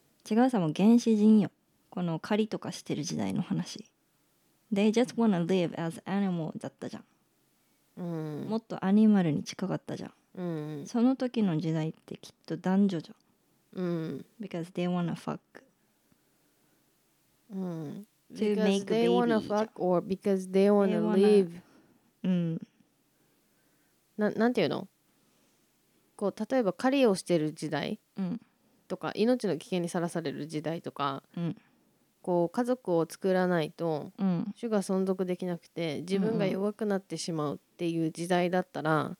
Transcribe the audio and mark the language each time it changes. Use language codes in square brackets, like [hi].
[ja] 違うさ、もう原始人よ。この狩りとかしてる時代の話。 [en] They just wanna live as animal [ja] だったじゃん、うん、もっとアニマルに近かったじゃん、うん、その時の時代ってきっと男女じゃん、うん、 [en] Because they wanna fuck、うん、To because make they wanna fuck or because they wanna live. うん。 [ja] なんていうの？こう例えば狩りをしてる時代とか、うん、命の危険にさらされる時代とか、うん、こう家族を作らないと、うん、種が存続できなくて自分が弱くなってしまうっていう時代だったら、